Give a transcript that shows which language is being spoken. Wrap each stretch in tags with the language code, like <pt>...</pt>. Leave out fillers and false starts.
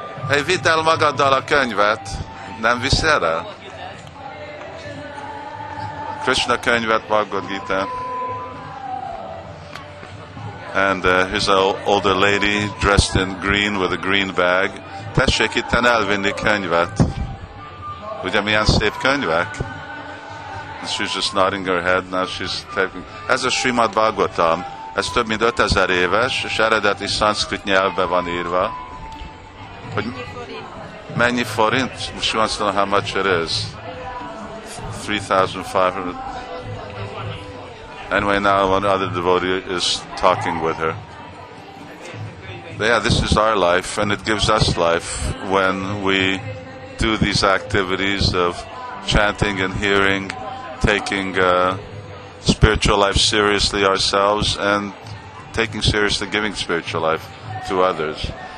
<hu>Hey, vidál magaddal a könyvet? Nem viszel el? Krishna könyvet, Bhagavad Gita.</hu> <en>And here's an older lady dressed in green with a green bag.</en> <hu>Tessék itten elvinni könyvet. Ugye milyen szép könyvek?</hu> <en>She's just nodding her head. Now she's typing.</en> <hu>Ez a Srimad Bhagavatam. Ez több mint 5000 éves, és eredeti szanszkrit nyelvben van írva. Hogy mennyi forint?</hu> <en>She wants to know how much it is. 3,500. Anyway, now one other devotee is talking with her. But yeah, this is our life, and it gives us life when we do these activities of chanting and hearing, taking spiritual life seriously ourselves, and taking seriously giving spiritual life to others.</en>